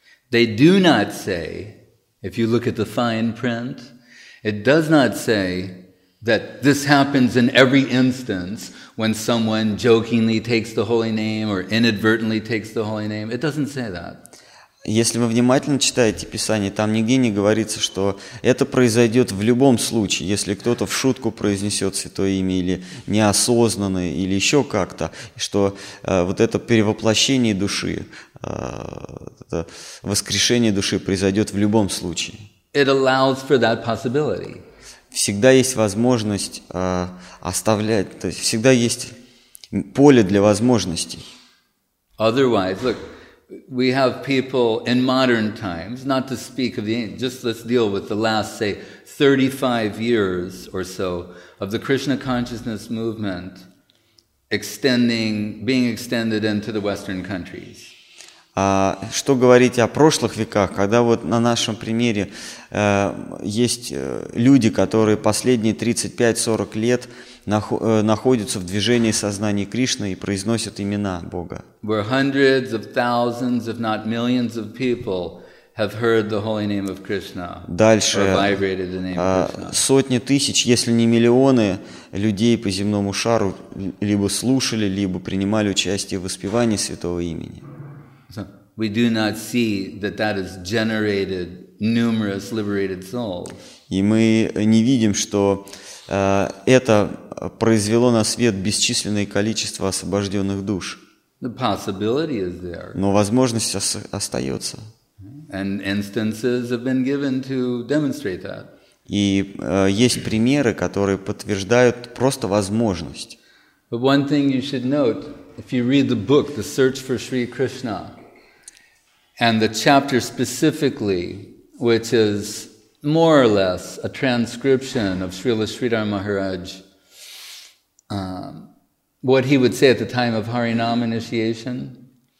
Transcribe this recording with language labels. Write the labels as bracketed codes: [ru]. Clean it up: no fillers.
[en] They do not say, if you look at the fine print, it does not say that this happens in every instance when someone jokingly takes the holy name or inadvertently takes the holy name. It doesn't say that. [ru] Если вы внимательно читаете Писание, там нигде не говорится, что это произойдет в любом случае, если кто-то в шутку произнесет Святое Имя, или неосознанно, или еще как-то, что вот это перевоплощение души, это воскрешение души произойдет в любом случае. [en] It allows for that possibility. [ru] Всегда есть возможность оставлять, то есть всегда есть поле для возможностей. [en] Otherwise, look, we have people in modern times, not to speak of the, just let's deal with the last, say, 35 years or so of the Krishna consciousness movement extending, being extended into the Western countries. [ru] Что говорить о прошлых веках, когда вот на нашем примере есть люди, которые последние 35-40 лет находятся в движении сознания Кришны и произносят имена Бога. [en] Where hundreds of thousands, if not millions of people have heard the holy name of Krishna. [ru] Дальше, [en] or vibrated the name of Krishna. [ru] Сотни тысяч, если не миллионы людей по земному шару либо слушали, либо принимали участие в воспевании святого имени. [en] We do not see that that has generated numerous liberated souls. [ru] И мы не видим, что это произвело на свет бесчисленное количество освобожденных душ. [en] The possibility is there. [ru] Но возможность остается. [en] And instances have been given to demonstrate that. [ru] И есть примеры, которые подтверждают просто возможность. [en] But one thing you should note, if you read the book, The Search for Sri Krishna, and the chapter specifically, which is more or less a transcription of Srila Sridhar Maharaj, what he would say at the time of Harinam initiation,